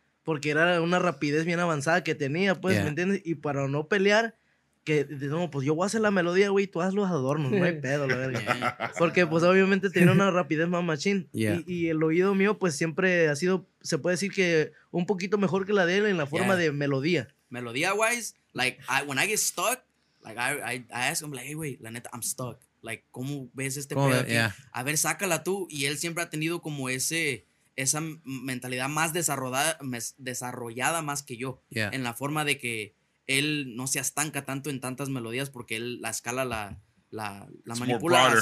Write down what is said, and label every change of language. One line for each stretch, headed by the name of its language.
Spanish: Porque era una rapidez bien avanzada que tenía, pues, yeah. ¿Me entiendes? Y para no pelear, que no, pues yo voy a hacer la melodía, güey, tú haz los adornos, no hay pedo, la verdad. Yeah. Porque, pues, obviamente tenía una rapidez más machín. Yeah. Y el oído mío, pues, siempre ha sido, se puede decir que un poquito mejor que la de él en la forma yeah. de melodía.
English: Melodía-wise, like, when I get stuck, like, I ask him, like,
Spanish: hey, güey, la neta,
English: I'm stuck.
Spanish: Like, ¿cómo ves este
English: cool,
Spanish: pedo?
English: Yeah.
Spanish: A ver, sácala tú. Y él siempre ha tenido como esa mentalidad más desarrollada más que yo.
English: Yeah.
Spanish: En la forma de que él no se estanca tanto en tantas melodías porque él la escala la manipula.